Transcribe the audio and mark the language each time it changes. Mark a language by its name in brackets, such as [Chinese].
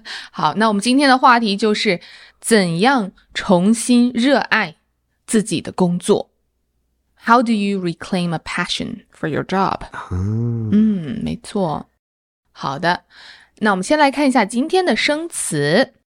[Chinese] 好,那我们今天的话题就是怎样重新热爱自己的工作。 [English] How do you reclaim a passion for your job? [Chinese] 没错。好的。那我们先来看一下今天的生词。